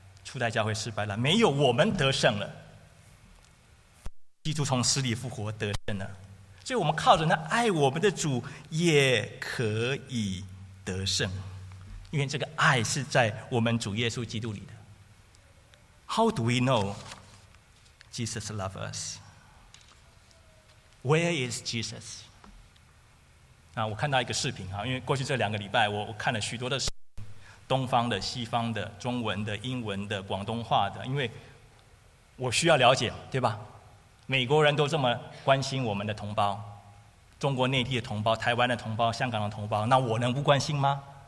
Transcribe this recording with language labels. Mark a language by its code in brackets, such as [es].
[zh] 初代教会失败了，没有，我们得胜了。基督从死里复活得胜了，所以我们靠着那爱我们的主也可以得胜，因为这个爱是在我们主耶稣基督里的。 [en] How do we know Jesus loves us? Where is Jesus? [zh] 我看到一个视频，因为过去这两个礼拜 我看了许多的视频，东方的、西方的、中文的、英文的、广东话的，因为我需要了解，对吧？美国人都这么关心我们的同胞，中国内地的同胞、台湾的同胞、香港的同胞，那我能不关心吗？